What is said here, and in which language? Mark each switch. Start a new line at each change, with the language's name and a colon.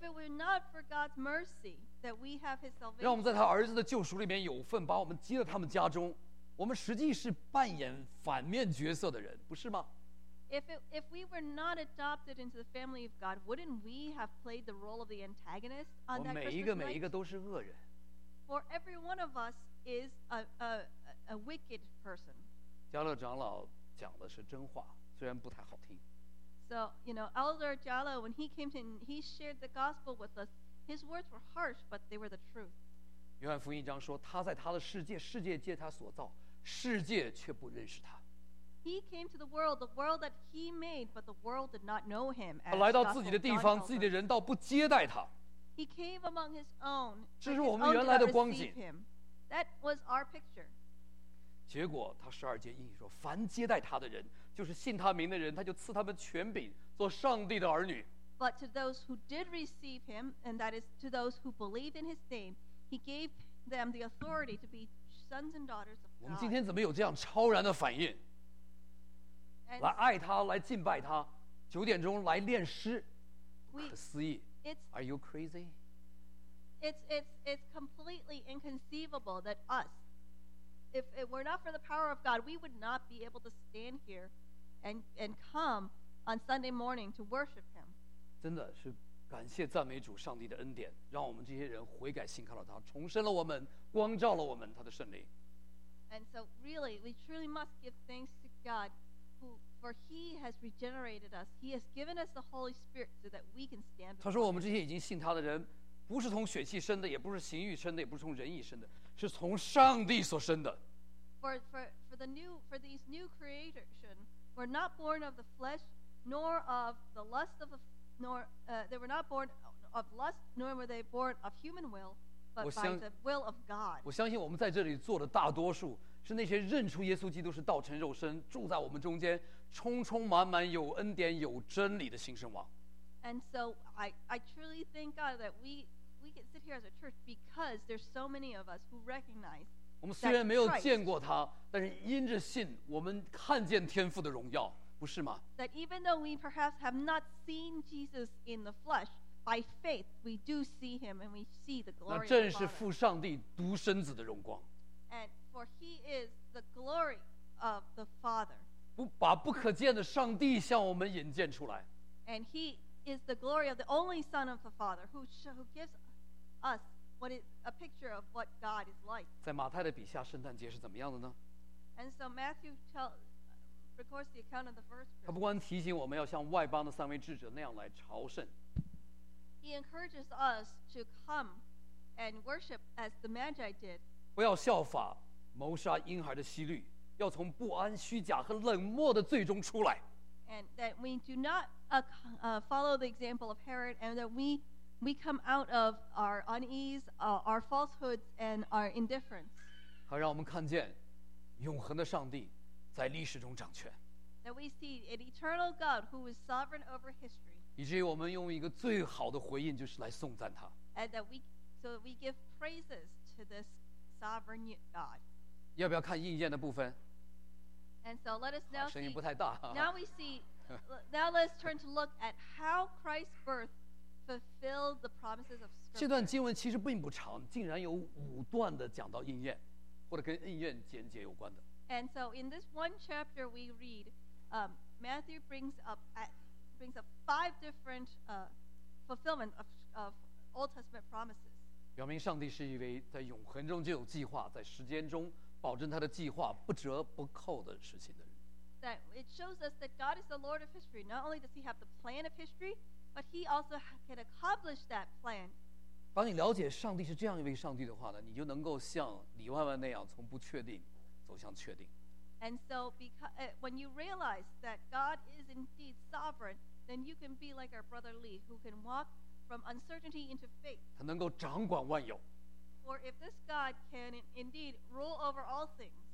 English: it were not for God's mercy that we have His salvation,
Chinese: 让我们在他儿子的救赎里面有份，把我们接到他们家中，我们实际是扮演反面角色的人，不是吗？
English: If we were not adopted into the family of God, wouldn't we have played the role of the antagonist on that Christmas night? For every one of us is a wicked person.
Chinese: 加勒长老讲的是真话，虽然不太好听。
English: So you know, Elder Jalo, when he came in, he shared the gospel with us. His words were harsh, but they were the truth.
Chinese: 约翰福音一章说，他在他的世界，世界借他所造，世界却不认识他。
English: He came to the world that he made, but the world did not know him.
Chinese: 来到自己的地方，自己的人倒不接待他。
English: He came among his own.
Chinese: 这是我们原来的光景。
English: That was our picture.
Chinese: 结果他十二节应许说，凡接待他的人，就是信他名的人，他就赐他们权柄做上帝的儿女。
English: But to those who did receive him, and that is to those who believe in his name, he gave them the authority to be sons and daughters of God.
Chinese: 我们今天怎么有这样超然的反应？
English: And,
Chinese: 来爱他，来敬拜他，九点钟来练诗，不可思议。
English: Are you crazy? It's completely inconceivable that us,If it were not for the power of God, we would not be able to stand here and come on Sunday morning to worship him.
Chinese: 真的是感谢赞美主上帝的恩典，让我们这些人悔改信靠了他，重生了我们，光照了我们他的圣灵。
English: And so really, we truly must give thanks to God for he has regenerated us. He has given us the Holy Spirit so that we can stand.
Chinese: 他说我们这些已经信他的人不是从血气生的，也不是行欲生的，也不是从人意生的，是从上帝所生的。
English: For these new creation were not born of the flesh nor of the lust of the nor they were not born of lust nor were they born of human will but by the will of God.
Chinese: 我相信我们在这里坐的大多数是那些认出耶稣基督是道成肉身住在我们中间充充满满有恩典有真理的新生王。
English: And so I truly thank God that we can sit here as a church because there's so many of us who recognize that Christ.
Chinese: 我们虽然没有见过他，但是因着信，我们看见天父的荣耀，不是吗？
English: That even though we perhaps have not seen Jesus in the flesh, by faith we do see him and we see the glory of God.
Chinese: 那正是父上帝独生子的荣光。
English: And for he is the glory of the Father.
Chinese: 不把不可见的上帝向我们引荐出来。
English: And he. Is the glory of the only Son of the Father who gives us what is a picture of what God is like.
Chinese: 在马太的笔下，圣诞节是怎么样的呢？
English: And so Matthew records the account of the first.
Chinese: 他不光提醒我们要像外邦的三位智者那样来朝圣。
English: He encourages us to come and worship as the Magi did.
Chinese: 不要效法谋杀婴孩的希律，要从不安、虚假和冷漠的罪中出来。
English: And that we do not follow the example of Herod, and that we come out of our unease, our falsehoods, and our indifference.
Chinese: 好，让我们看见永恒的上帝在历史中掌权。
English: That we see an eternal God who is sovereign over history.
Chinese: 以至于我们用一个最好的回应，就是来颂赞他。
English: And that we give praises to this sovereign God.
Chinese: 要不要看应验的部分？
English: And so let us now see.
Chinese: 好, 声音不太大。
English: Now we see. Now let's turn to look at how Christ's birth fulfilled the promises of Scripture.
Chinese: 这段经文其实并不长，竟然有五段的讲到应验，或者跟应验间接有关的。
English: And so in this one chapter we read, Matthew brings up five different fulfillment of Old Testament promises.
Chinese: 表明上帝是一位在永恒中就有计划，在时间中。保证他的计划不折不扣的实行的人。
English: That it shows us that God is the Lord of history. Not only does He have the plan of history, but He also can accomplish that plan.
Chinese: 当你了解上帝是这样一位上帝的话呢，你就能够像李万万那样从不确定走向确定。
English: And so, when you realize that God is indeed sovereign, then you can be like our brother Lee, who can walk from uncertainty into faith.
Chinese: 他能够掌管万有。
English: For if this God can indeed rule over all things,